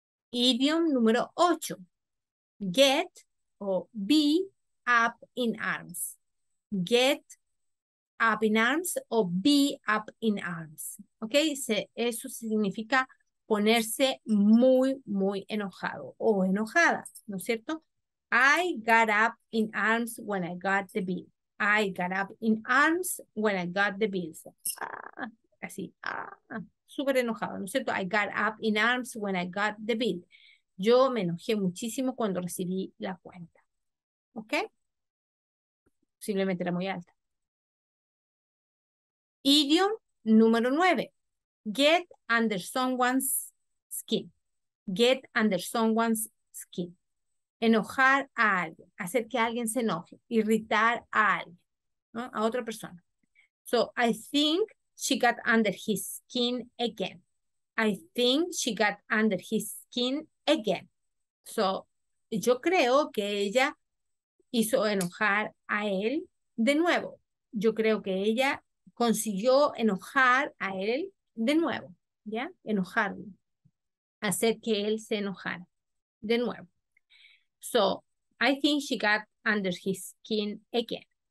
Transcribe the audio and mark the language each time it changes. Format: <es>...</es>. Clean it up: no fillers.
<en>Idiom número 8. Get o be up in arms. Get up in arms o be up in arms. ¿Ok?</en> <es>Eso significa ponerse muy, muy enojado o enojada. ¿No es cierto?</es> <en>I got up in arms when I got the bill. I got up in arms when I got the bills.</en> <es>Súper enojado, ¿no es cierto?</es> <en>I got up in arms when I got the bill.</en> <es>Yo me enojé muchísimo cuando recibí la cuenta. ¿Ok? Posiblemente era muy alta.</es> <en>Idiom número 9. Get under someone's skin. Get under someone's skin.</en> <es>Enojar a alguien, hacer que alguien se enoje, irritar a alguien, ¿no? A otra persona.</es> <en>So, I think she got under his skin again. I think she got under his skin again.</en> <es>So, yo creo que ella hizo enojar a él de nuevo. Yo creo que ella consiguió enojar a él de nuevo, ¿ya? Enojarlo, hacer que él se enojara de nuevo.</es> <en>So, I think she got under his skin again.</en>